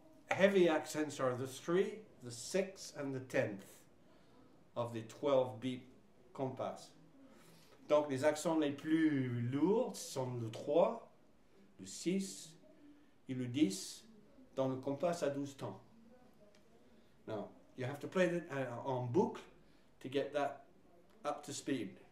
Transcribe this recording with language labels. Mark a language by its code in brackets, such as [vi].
[en] Heavy accents are the 3, the 6, and the 10th of the 12 beat compass. [fr] Donc les accents les plus lourds sont le 3, le 6 et le 10 dans le compass à 12 temps. [en] Now, you have to play it [fr] en boucle [en] to get that up to speed.